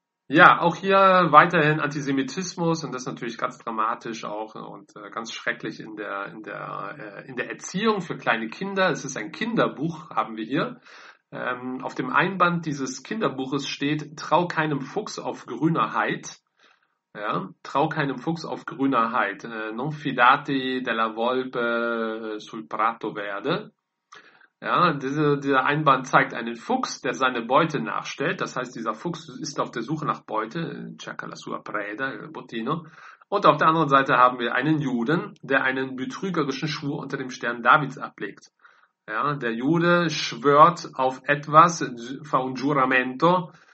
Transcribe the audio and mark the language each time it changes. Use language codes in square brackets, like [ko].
[de] Ja, auch hier weiterhin Antisemitismus und das ist natürlich ganz dramatisch auch und ganz schrecklich in der Erziehung für kleine Kinder. Es ist ein Kinderbuch, haben wir hier. Auf dem Einband dieses Kinderbuches steht: Trau keinem Fuchs auf grüner Heid. Ja, trau keinem Fuchs auf grüner Heid. [it] Non fidati della volpe sul prato verde. [de] Ja, dieser Einband zeigt einen Fuchs, der seine Beute nachstellt. Das heißt, dieser Fuchs ist auf der Suche nach Beute, [it] cerca la sua preda, il bottino. [de] Und auf der anderen Seite haben wir einen Juden, der einen betrügerischen Schwur unter dem Stern Davids ablegt. Ja, der Jude schwört auf etwas, [it] fa un giuramento.